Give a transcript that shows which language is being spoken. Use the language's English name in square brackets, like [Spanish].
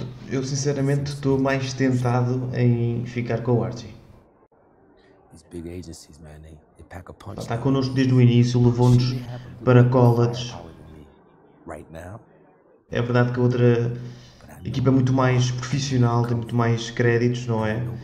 [Portuguese] Eu sinceramente estou mais tentado em ficar com o Archie. [English] These big agencies, man, they pack a punch. [Portuguese] Está connosco desde o início, levou-nos para college. [English] Right now? [Portuguese] É verdade que a outra equipa é muito mais profissional, tem muito mais créditos, não é?